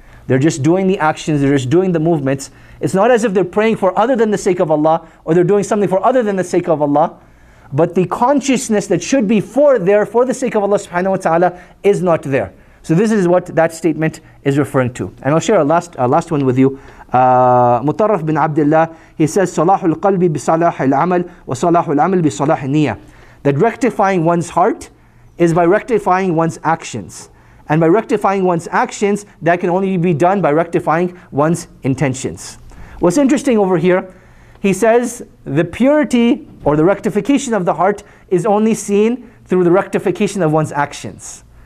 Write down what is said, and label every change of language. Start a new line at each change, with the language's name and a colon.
English: They're just doing the actions, they're just doing the movements. It's not as if they're praying for other than the sake of Allah, or they're doing something for other than the sake of Allah. But the consciousness that should be for the sake of Allah subhanahu wa ta'ala, is not there. So this is what that statement is referring to. And I'll share a last one with you. Mutarraf bin Abdullah, he says,
Arabic: صَلَاحُ الْقَلْبِ بِصَلَاحِ الْعَمَلِ وَصَلَاحُ الْعَمَلِ بِصَلَاحِ النِّيَّةِ.
English: That rectifying one's heart is by rectifying one's actions. And by rectifying one's actions, that can only be done by rectifying one's intentions. What's interesting over here, he says the purity or the rectification of the heart is only seen through the rectification of one's actions.